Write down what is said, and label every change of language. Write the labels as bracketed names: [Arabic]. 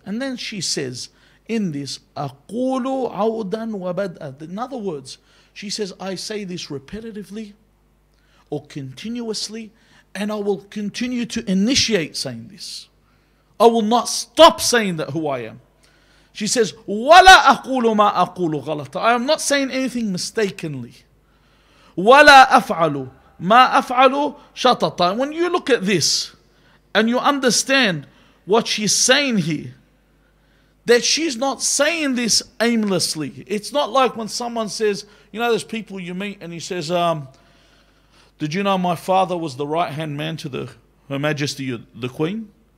[English] And then she says, in this, [Arabic] أَقُولُ عَوْدًا وَبَدْءًا. [English] In other words, she says, I say this repetitively or continuously, and I will continue to initiate saying this. I will not stop saying that who I am. She says, [Arabic] وَلَا أَقُولُ مَا أَقُولُ غَلَطًا. [English] I am not saying anything mistakenly. [Arabic] وَلَا أَفْعَلُ مَا أَفْعَلُ شَطَطًا. [English] When you look at this and you understand what she's saying here, that she's not saying this aimlessly. It's not like when someone says, you know, there's people you meet and he says, did you know my father was the right-hand man to Her Majesty the Queen?